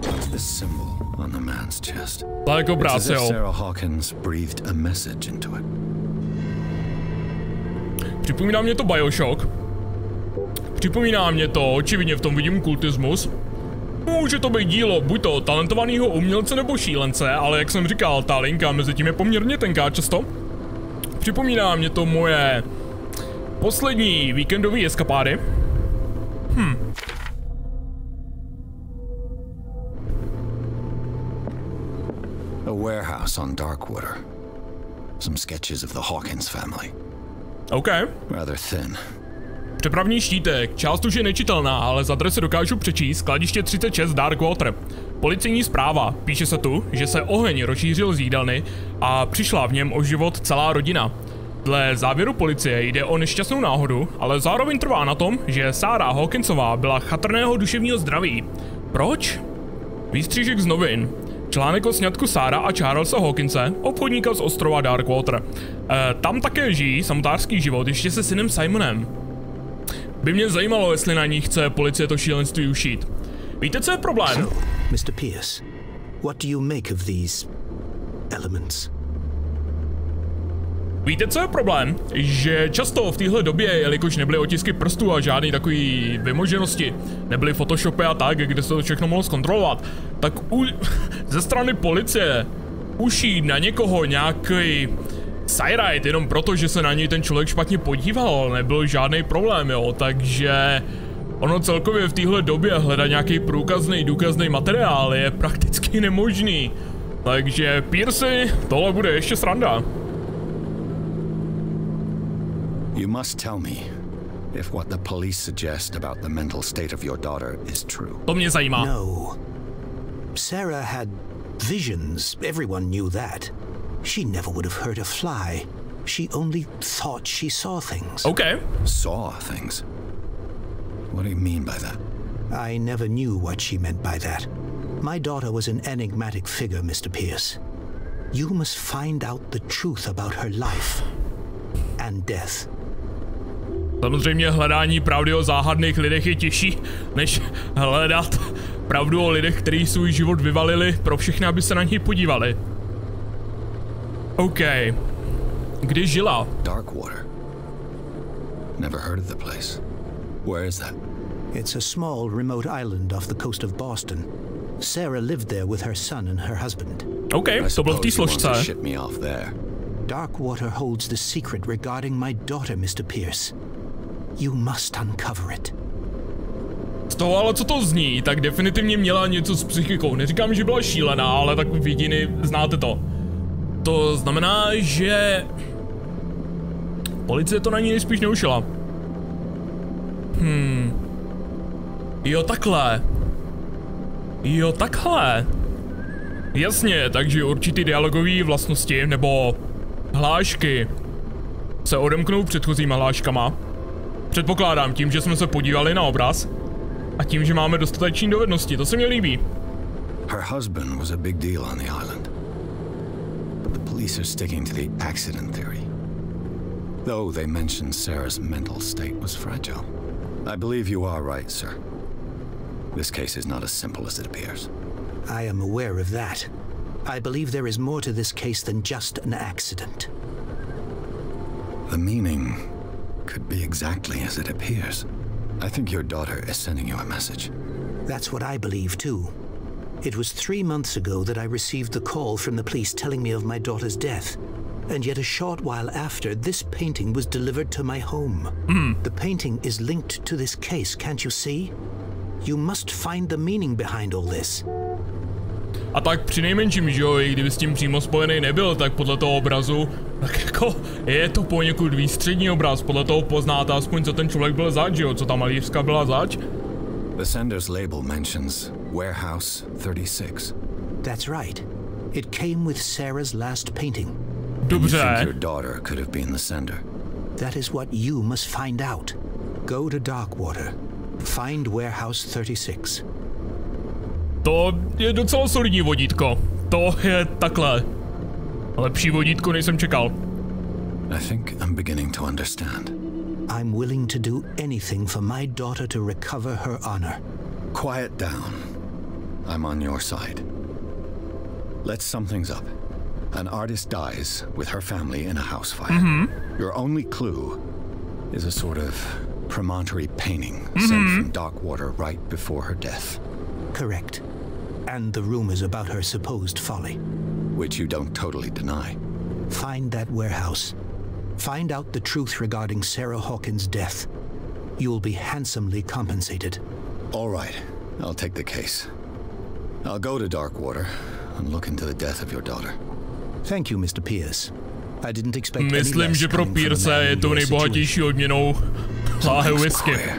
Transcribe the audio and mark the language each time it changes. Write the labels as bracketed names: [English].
[English] This symbol on the man's chest. Like a brace. Sarah Hawkins breathed a message into it. [Czech] Připomíná mě to BioShock. Připomíná mě to, očividně v tom vidím kultismus. Může to být dílo buď to talentovaného umělce nebo šílence, ale jak jsem říkal, ta linka mezi tím je poměrně tenká často. Připomíná mě to moje poslední víkendové eskapády. [English] A warehouse on Darkwater. Some sketches of the Hawkins family. Okay. Rather thin. [Czech] Přepravní štítek. Část už je nečitelná, ale z adresy dokážu přečíst. Skladiště 36 Darkwater. Policejní zpráva. Píše se tu, že se oheň rozšířil z jídelny a přišla v něm o život celá rodina. Dle závěru policie jde o nešťastnou náhodu, ale zároveň trvá na tom, že Sarah Hawkinsová byla chatrného duševního zdraví. Proč? Výstřížek z novin. Článek o sňatku Sarah a Charlesa Hawkinse, obchodníka z ostrova Darkwater. Tam také žijí samotářský život ještě se synem Simonem. By mě zajímalo, jestli na ní chce policie to šílenství ušít. Víte, co je problém? [English] So, Mr. Pierce, what do you make of these elements? [Czech] Víte, co je problém? Že často v téhle době, jelikož nebyly otisky prstů a žádný takový vymoženosti, nebyly photoshopy a tak, kde se to všechno mohlo zkontrolovat, tak ze strany policie ušít na někoho nějaký sajrajt jenom proto, že se na něj ten člověk špatně podíval, nebyl žádný problém, jo, takže ono celkově v téhle době hledat nějaký průkazný, důkazný materiál je prakticky nemožný. Takže Piercy, tohle bude ještě sranda. [English] You must tell me if what the police suggest about the mental state of your daughter is true. [Czech] To mě zajímá. [English] No. Sarah had visions. Everyone knew that. She never would have hurt a fly. She only thought she saw things. Okay. Saw things. What do you mean by that? I never knew what she meant by that. My daughter was an enigmatic figure, Mr. Pierce. You must find out the truth about her life and death. [Czech] Samozřejmě hledání pravdy o záhadných lidech je těžší, než hledat pravdu o lidech, kteří svůj život vyvalili pro všechny, aby se na něj podívali. OK. Kdy žila? [English] Darkwater. Never heard of the place. Where is that? It's a small remote island off the coast of Boston. Sarah lived there with her son and her husband. [Czech] Okay, to byl v té složce. [English] Ship me off there. Darkwater holds the secret regarding my daughter, Mr. Pierce. You must uncover it. [Czech] Z toho, ale co to zní, tak definitivně měla něco s psychikou. Neříkám, že byla šílená, ale tak vidiny, znáte to. To znamená, že policie to na ní nejspíš neušila. Jo, takhle. Jasně, takže určitý dialogové vlastnosti nebo hlášky se odemknou předchozíma hláškama. Předpokládám tím, že jsme se podívali na obraz a tím, že máme dostatečné dovednosti. To se mi líbí. [English] Her husband was a big deal on the island. But the police are sticking to the accident theory. Though they mentioned Sarah's mental state was fragile. I believe you are right, sir. This case is not as simple as it appears. I am aware of that. I believe there is more to this case than just an accident. The meaning could be exactly as it appears. I think your daughter is sending you a message. That's what I believe too. It was 3 months ago that I received the call from the police telling me of my daughter's death. And yet a short while after, this painting was delivered to my home. The painting is linked to this case, can't you see? You must find the meaning behind all this. [Czech] A tak přinejmenším, že jo, i kdyby s tím přímo spojený nebyl, tak podle toho obrazu, tak jako je to poněkud výstřední obraz, podle toho poznáte aspoň, co ten člověk byl zač, jo, co ta malířka byla zač. [English] The sender's label mentions warehouse 36. That's right. It came with Sarah's last painting. [Czech] Dobře. [English] And you think your daughter could have been the sender? That is what you must find out. Go to Darkwater. Find warehouse 36. [Czech] To je docela solidní vodítko. To je takhle. Lepší vodítko, než jsem čekal. [English] I think I'm beginning to understand. I'm willing to do anything for my daughter to recover her honor. Quiet down. I'm on your side. Let's sum things up. An artist dies with her family in a house fire. Mm-hmm. Your only clue is a sort of promontory painting sent from Darkwater right before her death. Correct. And the rumors about her supposed folly. Which you don't totally deny. Find that warehouse. Find out the truth regarding Sarah Hawkins' death. You'll be handsomely compensated. All right. I'll take the case. I'll go to Darkwater and look into the death of your daughter. Thank you, Mr. Pierce. I didn't expect [Czech] myslím, že pro Pierce je to nejbohatější odměnou láhe whisky.